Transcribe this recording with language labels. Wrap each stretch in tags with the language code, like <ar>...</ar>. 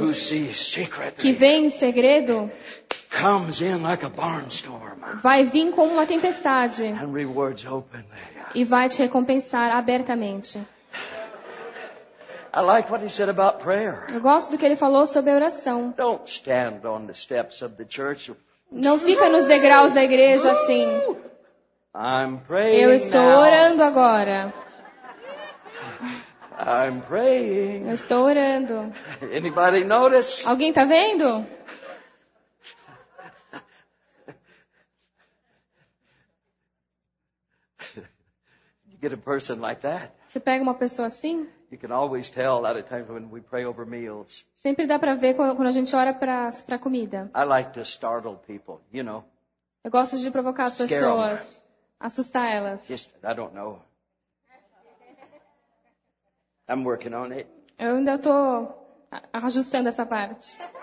<en>who sees secretly,</en> <pt>que vem em segredo,</pt> <en>comes in like a barnstorm,</en> <pt>vai vir como uma tempestade</pt> <en>and rewards openly.</en> <pt>E vai te recompensar abertamente.</pt> <en>I like what he said about prayer.</en> <pt>Eu gosto do que ele falou sobre a oração.</pt> <en>Don't stand on the steps of the church.</en> <pt>Não fica nos degraus da igreja assim.</pt> <en>I'm praying.</en> <pt>Eu estou orando agora.</pt> <en>I'm praying.</en> <pt>Eu estou orando.</pt> <en>Anybody notice?</en> <pt>Alguém está vendo?</pt> <en>You get a person like that.</en> <pt>Você pega uma pessoa assim?</pt> <en>You can always tell a lot of times when we pray over meals.</en> <pt>Sempre dá para ver quando a gente ora para comida.</pt> <en>I like to startle people, you know.</en> <pt>Eu gosto de provocar as pessoas. Assustar elas.</pt> <en>Just, I don't know. I'm working on it.</en> <pt>Eu ainda estou ajustando essa parte.</pt>